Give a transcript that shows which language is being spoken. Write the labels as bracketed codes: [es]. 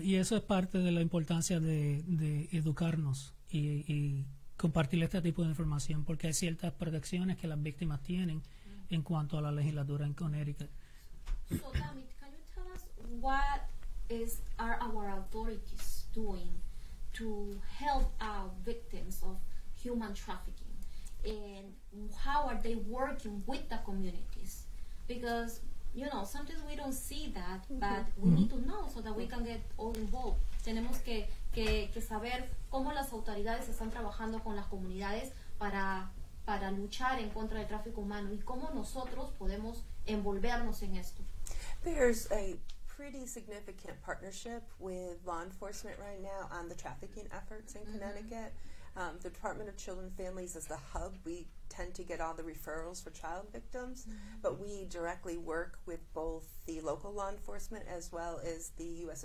[es] Y eso es parte de la importancia de educarnos y compartir este tipo de información, porque hay ciertas protecciones que las víctimas tienen en cuanto a la legislatura en Connecticut. [en] So, Tammy, can you tell us what are our authorities doing to help our victims of human trafficking, and how are they working with the communities? Because, you know, sometimes we don't see that, but we need to know so that we can get all involved. [es] Tenemos que saber cómo las autoridades están trabajando con las comunidades para luchar en contra del tráfico humano, y cómo nosotros podemos envolvernos en esto. [en] There's a pretty significant partnership with law enforcement right now on the trafficking efforts in Connecticut. The Department of Children and Families is the hub. We tend to get all the referrals for child victims, but we directly work with both the local law enforcement as well as the U.S.